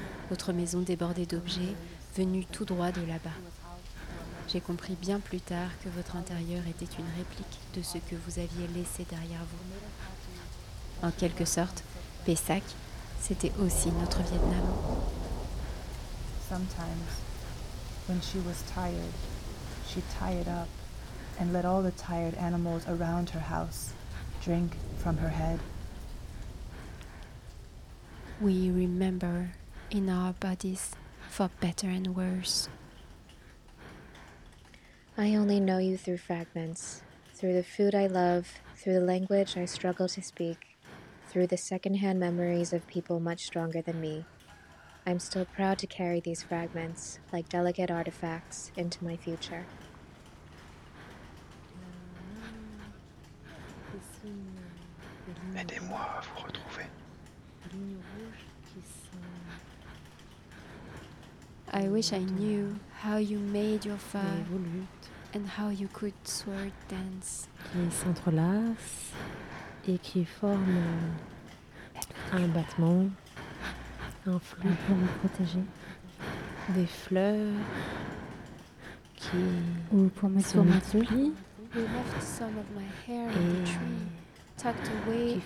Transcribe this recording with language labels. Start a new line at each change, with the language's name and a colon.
French: Votre maison débordée d'objets, venue tout droit de là-bas. J'ai compris bien plus tard que votre intérieur était une réplique de ce que vous aviez laissé derrière vous. En quelque sorte, Pessac, c'était aussi notre Vietnam.
English: Sometimes, when she was tired, she tied up and let all the tired animals around her house drink from her head. We remember in our bodies for better and worse. I only know you through fragments, through the food I love, through the language I struggle to speak, through the secondhand memories of people much stronger than me. I'm still proud to carry these fragments, like delicate artifacts, into my future.
French: Aidez-moi à vous retrouver.
English: I wish I knew how you made your fire and how you could sword dance.
French: Qui s'entrelace et qui forme un battement, un flux pour me protéger. Des fleurs qui ou pour me sauver.
English: We left some of my hair on the tree, tucked away